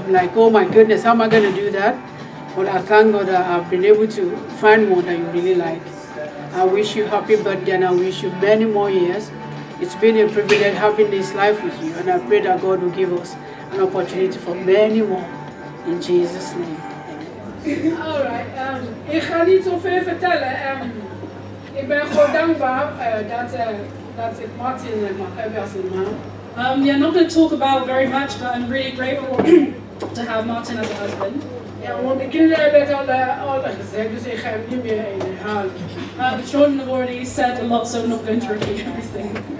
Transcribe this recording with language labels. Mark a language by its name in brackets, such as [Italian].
[English] I'm like, oh my goodness, how am I going to do that? But I thank God that I've been able to find one that you really like. I wish you happy birthday and I wish you many more years. It's been a privilege having this life with you and I pray that God will give us an opportunity for many more. In Jesus' name. All right. [Dutch] Ik ga niet zoveel vertellen. Ik ben gewoon dankbaar dat ik Martin heb als een man. [English] Yeah, not going to talk about very much, but I'm really grateful to have Martin as a husband. [Dutch] Yeah, want de kinderen hebben het al gezegd, dus ik ga het niet meer herhalen. [English] The children have already said a lot, so I'm not going to repeat everything.